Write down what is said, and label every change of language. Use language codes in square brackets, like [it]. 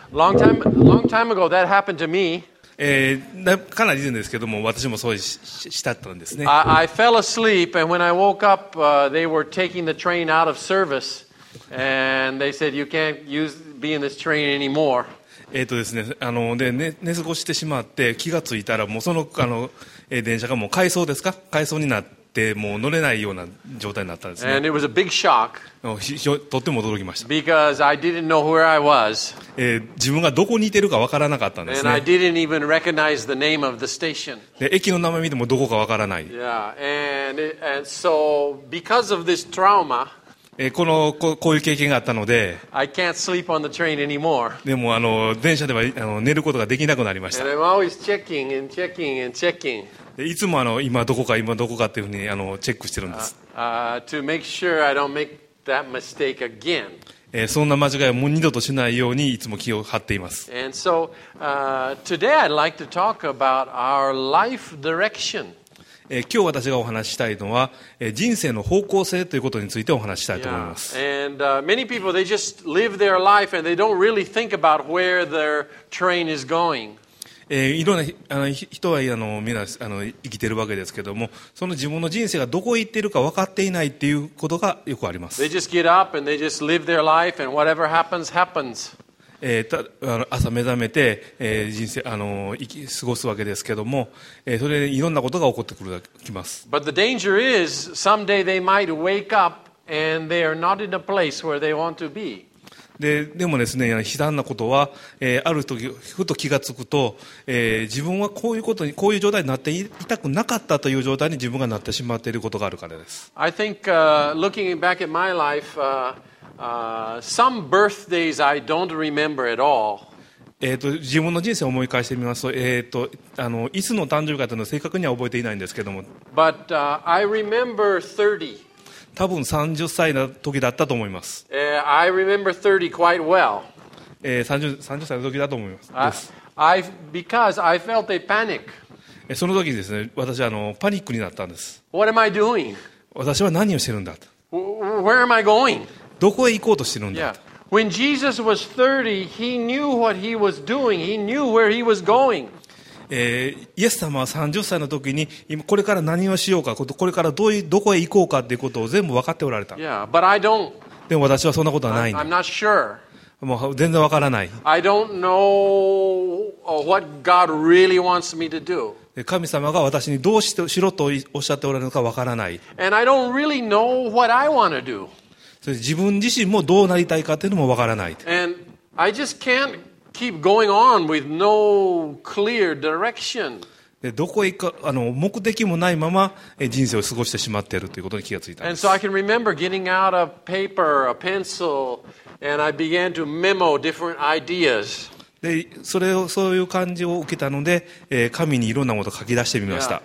[en] Long time ago that happened to me. [ja] かなり以前ですけども、私もそうしたったんですね。 [en] I fell asleep and when I woke up, they were taking the train out of service and they said you can't be in this train anymore. [ja] ですね、で寝過ごしてしまって気がついたらもうその電車がもう回送ですか？回送になってもう乗れないような状態になったんですね。 [en] And it was a big shock. [ja] とっても驚きました。 [en] Because I didn't know where I was. [ja] 自分がどこにいてるかわからなかったんですね。 [en] And I didn't even recognize the name of the station. [ja] 駅の名前見てもどこかわからない。 [en] Yeah. And so because of this trauma. [ja] こういう経験があったので、 [en] I can't sleep on the train anymore. [ja] でも電車では寝ることができなくなりました。 [en] And I'm always checking and checking and checking. [ja] でいつも今どこかっていうふうにチェックしてるんです。 [en] To make sure I don't make that mistake again. [ja] そんな間違いをもう二度としないようにいつも気を張っています。 [en] And so, today I'd like to talk about our life direction. [ja] 今日私がお話したいのは人生の方向性ということについてお話したいと思います。 [en] Yeah. And many people they just live their life and they don't really think about where their train is going. [ja] いろんな人は皆生きているわけですけども、その自分の人生がどこへ行っているか分かっていないっていうことがよくあります。 [en] They just get up and they just live their life and whatever happens, happens. [ja] 朝目覚めて、人生過ごすわけですけども、それでいろんなことが起こってくるきます。 [en] But the danger is, someday they might wake up and they are not in a place where they want to be. [ja] でもですね、悲惨なことは、ある時ふと気がつくと、自分はこういうことにこういう状態になっていたくなかったという状態に自分がなってしまっていることがあるからです。 [en] I think, looking back at my life, some birthdays I don't remember at all. [ja] 自分の人生を思い返してみますと、いつの誕生日かというのは正確には覚えていないんですけども。 [en] But, I remember 30. [ja] 多分30歳の時だったと思います。 [en] I remember 30 quite well. [ja] 30歳の時だと思います。 [en] Because I felt a panic. [ja] その時にですね、私はパニックになったんです。 [en] What am I doing? [ja] 私は何をしてるんだと。 [en] Where am I going? [ja] どこへ行こうとしてるんだ。 [en] Yeah. When Jesus was 30, he knew what he was doing. He knew where he was going. [ja] イエス様は30歳の時に今これから何をしようか、これからどこへ行こうかっていうことを全部分かっておられた。 [en] Yeah, but I don't. [ja] でも私はそんなことはないんだ。 [en] I'm not sure. [ja] もう全然分からない。 [en] I don't know what God really wants me to do. [ja] 神様が私にどうしてしろとおっしゃっておられるのか分からない。 [en] And I don't really know what I want to do. [ja] 自分自身もどうなりたいかというのもわからない。 [en] And I just can't keep going on with no clear direction. [ja] どこへ行くか、目的もないまま人生を過ごしてしまっているということに気がついたんです。 [en] And so I can remember getting out a paper, a pencil, and I began to memo different ideas. [ja] で、それをそういう感じを受けたので、紙にいろんなことを書き出してみました。